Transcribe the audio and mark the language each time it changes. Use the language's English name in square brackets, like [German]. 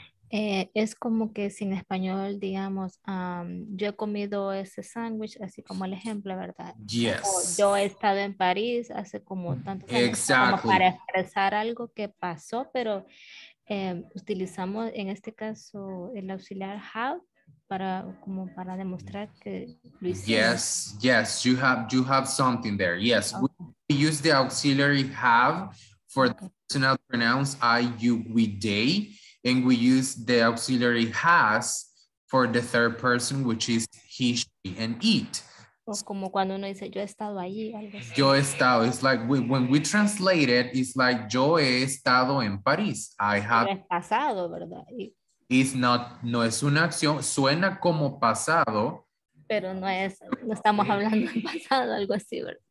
[Spanish] Es como que si en español, digamos, yo he comido ese sándwich, así como el ejemplo, ¿verdad? [English] Yes. [Spanish] O yo he estado en París hace como tanto tiempo. [English] Exactly. [Spanish] Como para expresar algo que pasó, pero utilizamos en este caso el auxiliar have para como para demostrar que lo hicimos. [English] Yes, yes, you have something there. Yes, okay. We use the auxiliary have for the personal pronouns I, you, we, they. And we use the auxiliary has for the third person, which is he, she, and it. [Spanish] Pues como cuando uno dice, yo he estado allí, algo así. Yo he estado. [English] It's like when we translate it, it's like [Spanish] yo he estado en París. [English] I have. [Spanish] Pero es pasado, ¿verdad? [English] It's not. [Spanish] No es una acción. Suena como pasado. Pero no es. No estamos hablando en pasado, algo así, ¿verdad?